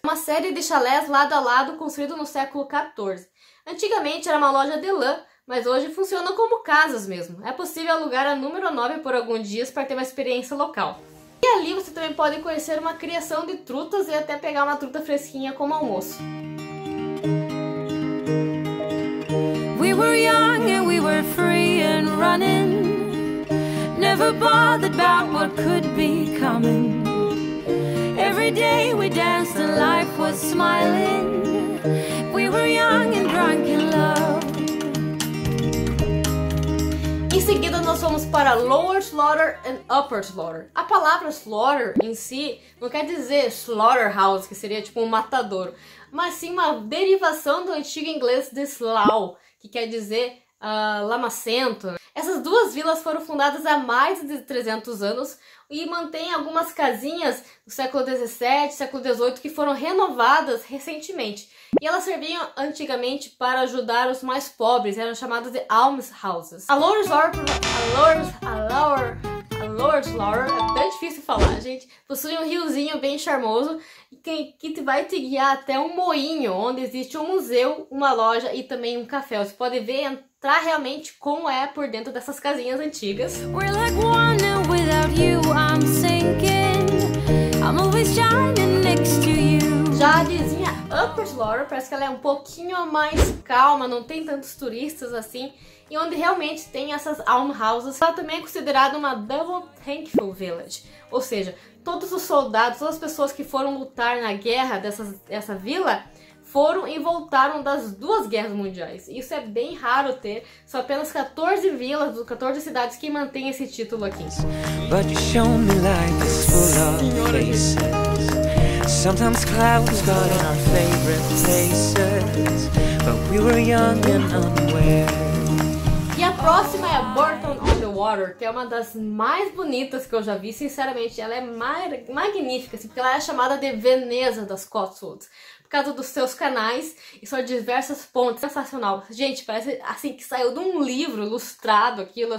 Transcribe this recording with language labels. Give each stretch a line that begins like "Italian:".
Portuguese: Uma série de chalés lado a lado construído no século XIV. Antigamente era uma loja de lã, mas hoje funciona como casas mesmo. É possível alugar a número 9 por alguns dias para ter uma experiência local. E ali você também pode conhecer uma criação de trutas e até pegar uma truta fresquinha como almoço.
English: We were young and we were free and running. Never bothered about what could be coming. Every day we danced and life was smiling. We were young and drunk in love.
Portuguese: Em seguida, nós fomos para Lower Slaughter and Upper Slaughter. A palavra slaughter em si não quer dizer slaughterhouse, que seria tipo um matador, mas sim uma derivação do antigo inglês de slough, que quer dizer lamacento. Essas duas vilas foram fundadas há mais de 300 anos e mantêm algumas casinhas do século XVII, século XVIII, que foram renovadas recentemente. E elas serviam antigamente para ajudar os mais pobres, eram chamadas de almshouses. A Lower Slaughter, é difícil falar, gente, possui um riozinho bem charmoso que vai te guiar até um moinho, onde existe um museu, uma loja e também um café. Você pode ver, entrar realmente como é por dentro dessas casinhas antigas.
English: We're like one and without you I'm sinking. I'm always shining next to you.
Portuguese: Já dizia Upper Slaughter, parece que ela é um pouquinho mais calma, não tem tantos turistas assim, e onde realmente tem essas almshouses. Ela também é considerada uma Double Thankful Village, ou seja, todos os soldados, todas as pessoas que foram lutar na guerra dessa vila, foram e voltaram das duas guerras mundiais. Isso é bem raro ter, são apenas 14 vilas, 14 cidades que mantêm esse título aqui.
English: But you show me like it's full of faces. Sometimes clouds got in our favorite places, but we were young and unaware.
Portuguese: E a próxima é Burton on the Water, que é uma das mais bonitas que eu já vi, sinceramente. Ela é magnífica, assim, porque ela é chamada de Veneza das Cotswolds, por causa dos seus canais e suas diversas pontes. Sensacional. Gente, parece assim que saiu de um livro ilustrado aquilo.